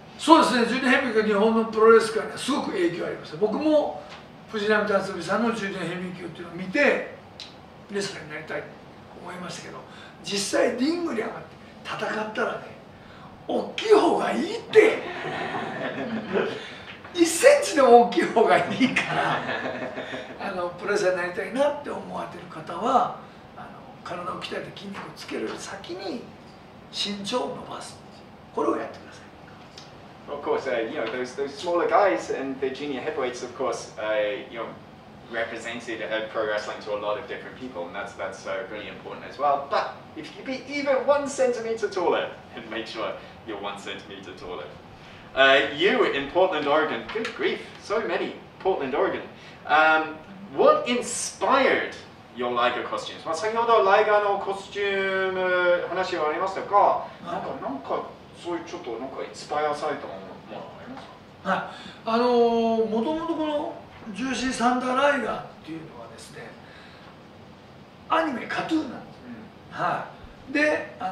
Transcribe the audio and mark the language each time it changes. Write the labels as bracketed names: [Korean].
[Japanese] そうですね、ジュニアヘビー級は日本のプロレスからすごく影響ありました。僕も藤波辰爾さんのジュニアヘビー級っていうのを見てレスラーになりたいと思いましたけど、実際リングに上がって戦ったらね、大きい方がいいって1センチでも大きい方がいいから、あのプロレスラーになりたいなって思われてる方は、あの体を鍛えて筋肉をつける先に身長を伸ばす、これをやってください。 [English] Of course, you know, those smaller guys and the junior heavyweights, of course, you know, represented pro wrestling to a lot of different people, and that's really important as well. But if you be even 1 centimeter taller, and make sure you're 1 centimeter taller. You in Portland, Oregon, good grief, so many Portland, Oregon. What inspired your Liger costumes? Well, [Japanese] 先ほど Liger のコスチューム話がありましたが、なんかそういうちょっとなんかインスパイアされたものもありますか？はい、もともとこのジューシーサンダーライガーっていうのはですね、アニメカトゥーンなんですね、うん、はい、で、